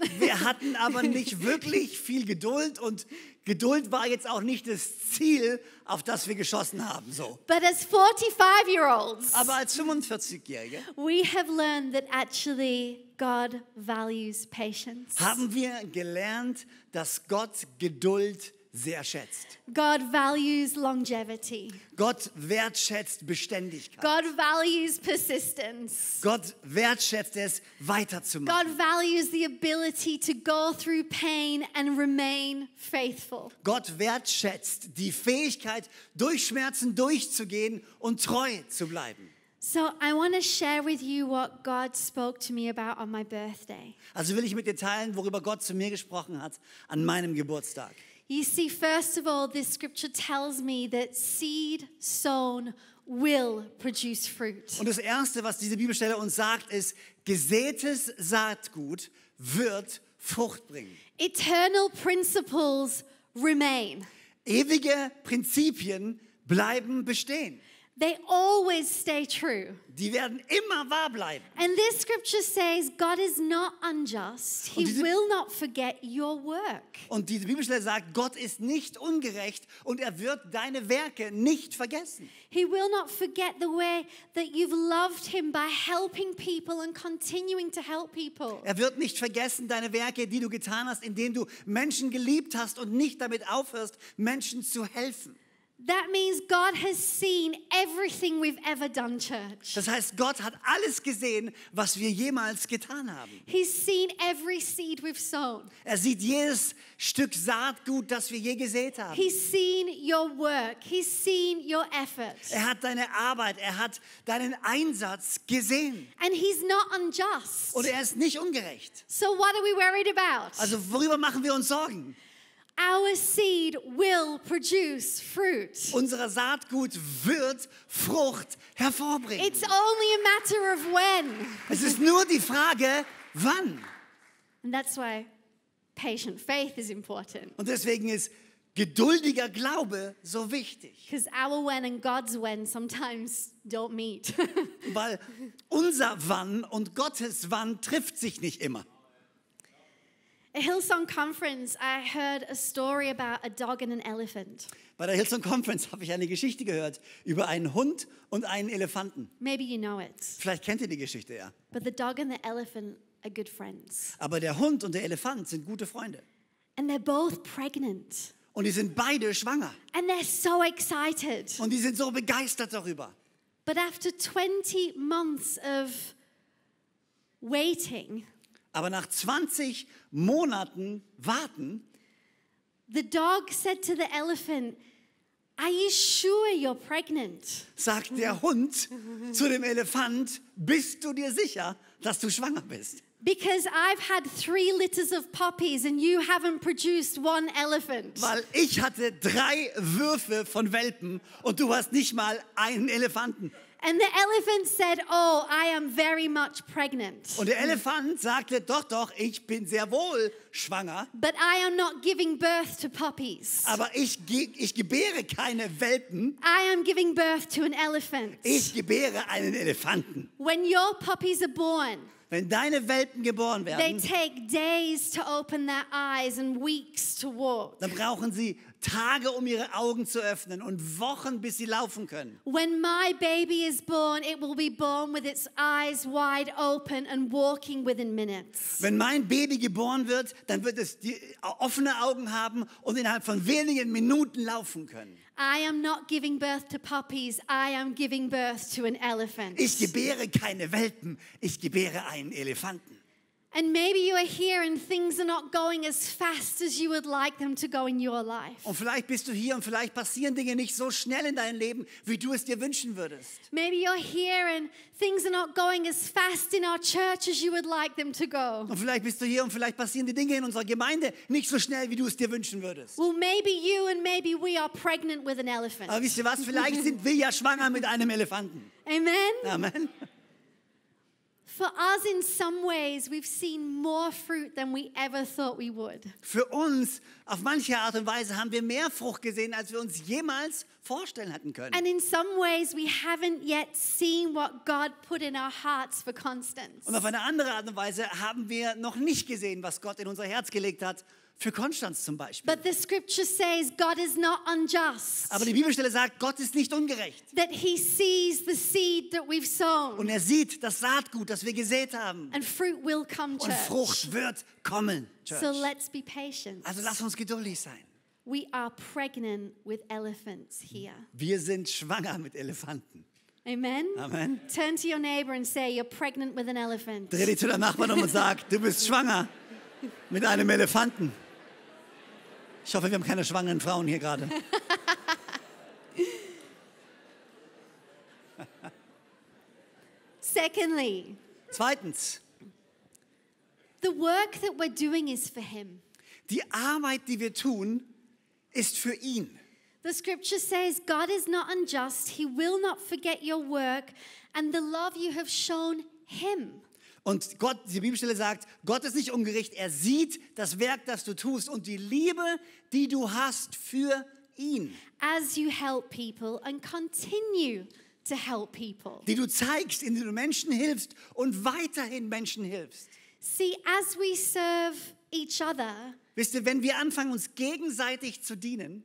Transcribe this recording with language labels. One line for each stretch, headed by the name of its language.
German: Wir hatten aber nicht wirklich viel Geduld und Geduld war jetzt auch nicht das Ziel, auf das wir geschossen haben, so.
English: But as 45 year olds,
German: aber als 45-Jährige,
English: we have learned that actually God values patience.
German: Haben wir gelernt, dass Gott Geduld sehr schätzt.
English: God values longevity.
German: Gott wertschätzt Beständigkeit.
English: God values persistence.
German: Gott wertschätzt es, weiterzumachen.
English: God values the ability to go through pain and remain faithful.
German: Gott wertschätzt die Fähigkeit, durch Schmerzen durchzugehen und treu zu bleiben.
English: So I want to share with you what God spoke to me about on my birthday.
German: Also will ich mit dir teilen, worüber Gott zu mir gesprochen hat an meinem Geburtstag.
English: You see, first of all, this scripture tells me that seed sown will produce fruit.
German: Und das Erste, was diese Bibelstelle uns sagt, ist, gesätes Saatgut wird Frucht bringen.
English: Eternal principles remain.
German: Ewige Prinzipien bleiben bestehen.
English: They always stay true.
German: Die werden immer wahr bleiben.
English: And this scripture says God is not unjust. He will not forget your work.
German: Und diese Bibelstelle sagt, Gott ist nicht ungerecht und er wird deine Werke nicht vergessen.
English: He will not forget the way that you've loved him by helping people and continuing to help people.
German: Er wird nicht vergessen deine Werke, die du getan hast, indem du Menschen geliebt hast und nicht damit aufhörst, Menschen zu helfen.
English: That means God has seen everything we've ever done, church.
German: Das heißt, Gott hat alles gesehen, was wir jemals getan haben.
English: He's seen every seed we've sown.
German: Er sieht jedes Stück Saatgut, das wir je gesät haben.
English: He's seen your work. He's seen your effort.
German: Er hat deine Arbeit, er hat deinen Einsatz gesehen.
English: And he's not unjust.
German: Und er ist nicht ungerecht.
English: So what are we worried about?
German: Also worüber machen wir uns Sorgen?
English: Our seed will produce fruit.
German: Unser Saatgut wird Frucht hervorbringen.
English: It's only a matter of when.
German: Es ist nur die Frage, wann.
English: And that's why patient faith is important.
German: Und deswegen ist geduldiger Glaube so wichtig.
English: Because our when and God's when sometimes don't meet.
German: Weil unser Wann und Gottes Wann trifft sich nicht immer.
English: At Hillsong Conference, I heard a story about a dog and an elephant.
German: Bei der Hillsong Conference habe ich eine Geschichte gehört über einen Hund und einen Elefanten.
English: Maybe you know it.
German: Vielleicht kennt ihr die Geschichte ja.
English: But the dog and the elephant are good friends.
German: Aber der Hund und der Elefant sind gute Freunde.
English: And they're both pregnant.
German: Und die sind beide schwanger.
English: And they're so excited.
German: Und die sind so begeistert darüber.
English: But after 20 months of waiting.
German: Aber nach 20 Monaten warten,
English: the dog said to the elephant, "Are you sure you're pregnant?"
German: Sagt der Hund zu dem Elefant, "Bist du dir sicher, dass du schwanger bist?"
English: Because I've had 3 litters of puppies and you haven't produced 1 elephant.
German: Weil ich hatte 3 Würfe von Welpen und du hast nicht mal einen Elefanten.
English: And the elephant said, "Oh, I am very much pregnant."
German: Und der Elefant sagte, "Doch, doch, ich bin sehr wohl schwanger."
English: But I am not giving birth to puppies.
German: Aber ich gebäre keine Welpen.
English: I am giving birth to an elephant.
German: Ich gebäre einen Elefanten.
English: When your puppies are born.
German: Wenn deine Welpen geboren werden.
English: They take days to open their eyes and weeks to walk.
German: Dann brauchen sie Tage, um ihre Augen zu öffnen und Wochen, bis sie laufen können.
English: When my baby is born, it will be born with its eyes wide open and walking within minutes.
German: Wenn mein Baby geboren wird, dann wird es die offene Augen haben und innerhalb von wenigen Minuten laufen können.
English: I am not giving birth to puppies, I am giving birth to an elephant.
German: Ich gebäre keine Welpen, ich gebäre einen Elefanten.
English: And maybe you are here and things are not going as fast as you would like them to go in your life.
German: Und vielleicht bist du hier und vielleicht passieren Dinge nicht so schnell in deinem Leben, wie du es dir wünschen würdest.
English: Maybe you're here and things are not going as fast in our church as you would like them to go.
German: Und vielleicht bist du hier und vielleicht passieren die Dinge in unserer Gemeinde nicht so schnell, wie du es dir wünschen würdest.
English: Well, maybe you and maybe we are pregnant with an elephant.
German: Aber wisst ihr was? Vielleicht sind wir ja schwanger mit einem Elefanten.
English: Amen.
German: Amen.
English: For us, in some ways, we've seen more fruit than we ever thought we would.
German: Für uns, auf manche Art und Weise, haben wir mehr Frucht gesehen, als wir uns jemals vorstellen hätten können.
English: And in some ways, we haven't yet seen what God put in our hearts for Constance.
German: Und auf eine andere Art und Weise haben wir noch nicht gesehen, was Gott in unser Herz gelegt hat. Für Konstanz zum Beispiel.
English: But the scripture says God is not unjust.
German: Aber die Bibelstelle sagt, Gott ist nicht ungerecht.
English: That he sees the seed that we've sown.
German: Und er sieht das Saatgut, das wir gesät haben.
English: And fruit will come,
German: church. Und Frucht wird kommen, church.
English: So let's be patient.
German: Also lass uns geduldig sein.
English: We are pregnant with elephants here.
German: Wir sind schwanger mit Elefanten.
English: Amen.
German: Amen.
English: Turn to your neighbor and say you're pregnant with an elephant.
German: Dreh dich zu deinem Nachbarn um und sag, du bist schwanger. Mit einem Elefanten. Ich hoffe, wir haben keine schwangeren Frauen hier gerade.
English: Secondly.
German: Zweitens.
English: The work that we're doing is for him.
German: Die Arbeit, die wir tun, ist für ihn.
English: The scripture says, God is not unjust. He will not forget your work and the love you have shown him.
German: Und Gott, die Bibelstelle sagt, Gott ist nicht ungerecht. Er sieht das Werk, das du tust und die Liebe, die du hast für ihn.
English: As you help people and continue to help people.
German: Die du zeigst, indem du Menschen hilfst und weiterhin Menschen hilfst.
English: See, as we serve each other,
German: wisst ihr, wenn wir anfangen, uns gegenseitig zu dienen,